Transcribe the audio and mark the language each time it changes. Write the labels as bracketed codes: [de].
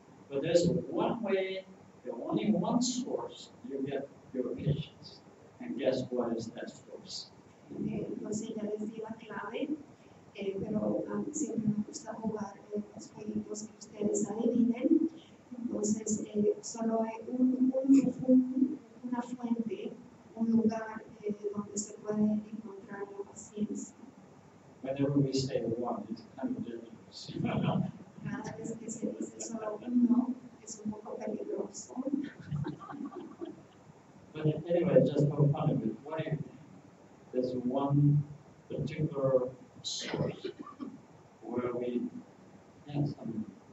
[en] But there's one way, there's only one source you get your patience. And guess what is that source? [es] Entonces ya les di la clave, pero siempre me gusta jugar los jueguitos que ustedes adivinen. Entonces solo hay una fuente, un lugar donde se puede encontrar la paciencia. [en] Whenever we say one, it's kind of dangerous. [es] Cada vez que se dice solo uno, es un poco peligroso. [en] But anyway, just for fun of it, what if there's one particular source where we have some